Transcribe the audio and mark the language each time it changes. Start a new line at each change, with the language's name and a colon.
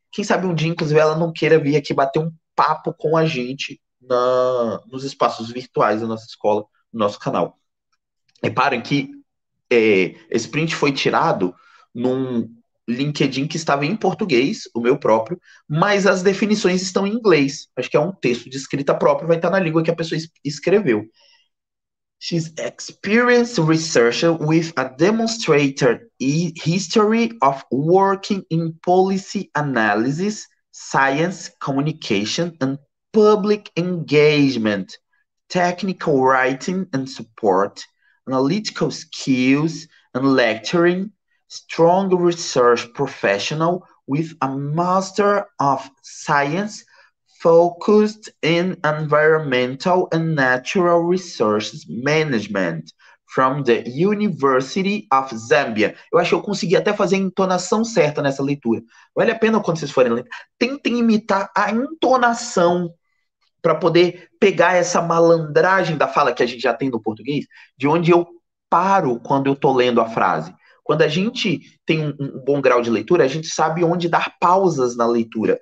Portuguese: Quem sabe um dia, inclusive, ela não queira vir aqui bater um papo com a gente nos espaços virtuais da nossa escola, no nosso canal. Reparem que esse print foi tirado num LinkedIn que estava em português, o meu próprio, mas as definições estão em inglês. Acho que é um texto de escrita própria, vai estar na língua que a pessoa escreveu.
English: She's experienced researcher with a demonstrated history of working in policy analysis, science, communication and public engagement, technical writing and support, analytical skills and lecturing, strong research professional with a master of science focused in environmental and natural resources management from the University of Zambia.
Portuguese: Eu acho que eu consegui até fazer a entonação certa nessa leitura. Vale a pena quando vocês forem ler. Tentem imitar a entonação para poder pegar essa malandragem da fala que a gente já tem no português, de onde eu paro quando eu estou lendo a frase. Quando a gente tem um bom grau de leitura, a gente sabe onde dar pausas na leitura.